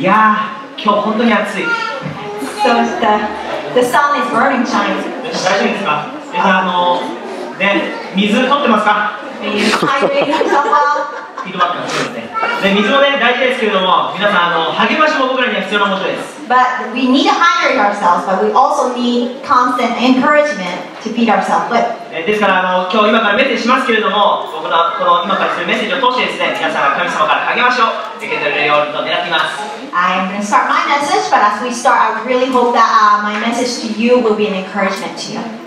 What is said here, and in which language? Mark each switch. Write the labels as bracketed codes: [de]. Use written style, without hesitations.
[ja] いやー、今日本当に暑い。 [en] So the sun is burning shining. [ja] 大丈夫ですか？皆さん、ね、水取ってますか？水も、ね、大事ですけれども、皆さん励ましも僕らには必要なことです。 [en] But we need to hydrate ourselves, but we also need constant encouragement to feed ourselves. But [ja] ですから今日今からメッセージしますけれども、僕のこの今からするメッセージを通してですね、皆さんが神様から励ましを受け取れるようにと願っています。 [en] I'm going to start my message, but as we start, I really hope that my message to you will be an encouragement to you.